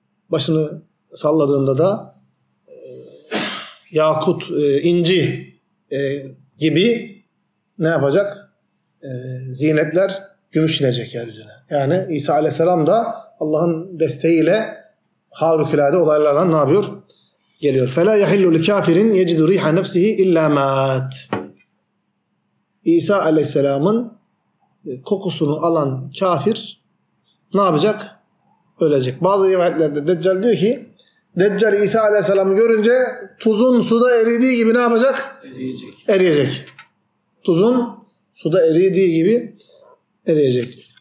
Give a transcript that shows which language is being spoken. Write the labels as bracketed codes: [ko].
[tr] Başını salladığında da yakut, inci gibi ne yapacak? Ziynetler gümüş inecek yeryüzüne. Yani İsa aleyhisselam da Allah'ın desteğiyle harikulade olaylarla ne yapıyor? Geliyor. [ar] فَلَا يَحِلُّ لِكَافِرٍ يَجِدُ رِيحَ نَفْسِهِ اِلَّا مَاتْ [tr] İsa aleyhisselamın kokusunu alan kafir ne yapacak? Ölecek. Bazı rivayetlerde Deccal diyor ki Deccal İsa aleyhisselamı görünce tuzun suda eridiği gibi ne yapacak? Eriyecek. Eriyecek. Tuzun suda eridiği gibi eriyecek.